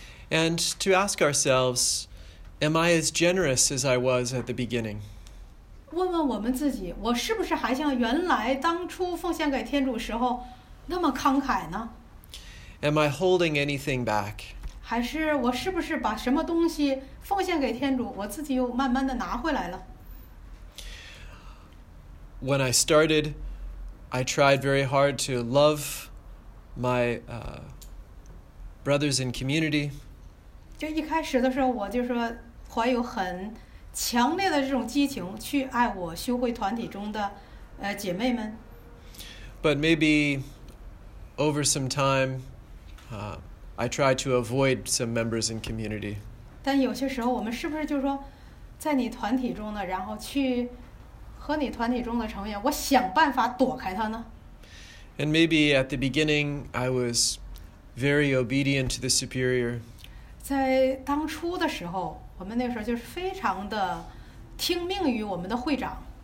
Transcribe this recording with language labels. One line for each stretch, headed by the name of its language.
English: And to ask ourselves, am I as generous as I was at the beginning?
Chinese: 问问我们自己，我是不是还像原来当初奉献给天主时候那么慷慨呢？
English: Am I holding anything back?
Chinese: 还是我是不是把什么东西奉献给天主，我自己又慢慢的拿回来了？
English: When I started, I tried very hard to love my brothers in community.
Chinese: 就一开始的时候，我就说怀有很强烈的这种激情去爱我修会团体中的姐妹们。
English: But maybe over some time, I tried to avoid some members in community.
Chinese: 但有些时候，我们是不是就是说，在你团体中呢，然后去？和你团体中的成员，我想办法躲开他呢。
English: And maybe at the beginning, I was very obedient to the superior.
Chinese: 在当初的时候，我们那时候就是非常的听命于我们的会长。